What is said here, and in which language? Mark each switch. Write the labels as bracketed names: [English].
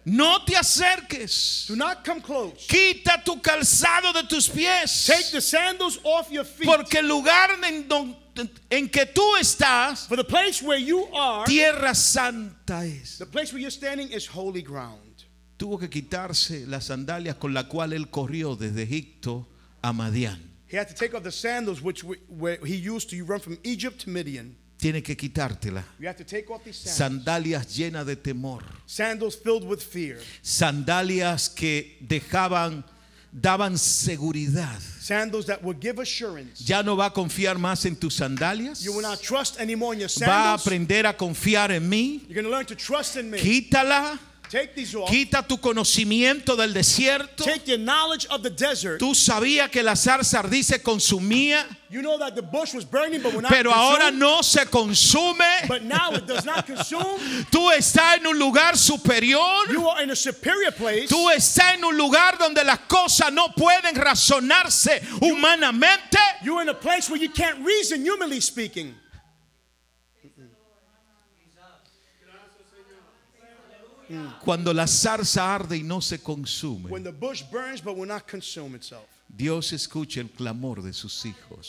[Spanish] no te acerques. [English] Do not come close. [Spanish] Quita tu calzado de tus pies. [English] Take the sandals off your feet. [Spanish] Porque el lugar en que tú estás, [English] for the place where you are, [Spanish] tierra santa es. [English] The place where you're standing is holy ground. [Spanish] Tuvo que quitarse las sandalias con la cual él corrió desde Egipto a Madian. [English] He had to take off the sandals which he used to run from Egypt to Midian. [Spanish] Tiene que quitártela. [English] You have to take off these sandals. [Spanish] Sandalias llenas de temor. [English] Sandals filled with fear. [Spanish] Sandalias que dejaban, daban seguridad. [English] Sandals that will give assurance. [Spanish] Ya no va a confiar más en tus sandalias. [English] You will not trust anymore in your sandals. [Spanish] Va a aprender a confiar en mí. [English] You're going to learn to trust in me. [Spanish] Quítala. [English] Take these off. [Spanish] Quita tu conocimiento del desierto. [English] Take your knowledge of the desert. [Spanish] Tú sabías que la zarza ardía se consumía. [English] You know that the bush was burning, but we're not. [Spanish] Pero ahora no se consume. [English] But now it does not consume. [Spanish] Tú estás en un lugar superior. [English] You are in a superior place. [Spanish] Tú estás en un lugar donde las cosas no pueden razonarse humanamente. [English] You're in a place where you can't reason, humanly speaking. [Spanish] Cuando la zarza arde y no se consume, [English] when the bush burns but will not consume itself, [Spanish] Dios escucha el clamor de sus hijos.